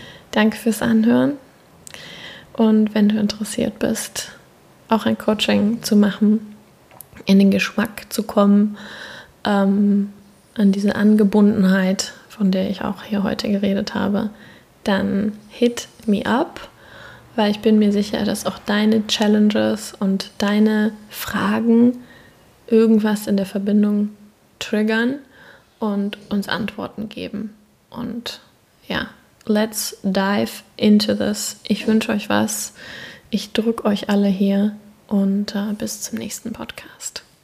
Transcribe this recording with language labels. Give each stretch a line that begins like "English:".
German: Danke fürs Anhören. Und wenn du interessiert bist, auch ein Coaching zu machen, in den Geschmack zu kommen, an diese Angebundenheit, von der ich auch hier heute geredet habe, dann
English: hit me up.
German: Weil ich bin mir sicher, dass auch deine Challenges und deine Fragen irgendwas in der Verbindung triggern und uns Antworten geben. Und ja,
English: let's dive into this.
German: Ich wünsche euch was. Ich drücke euch alle hier und bis zum nächsten Podcast.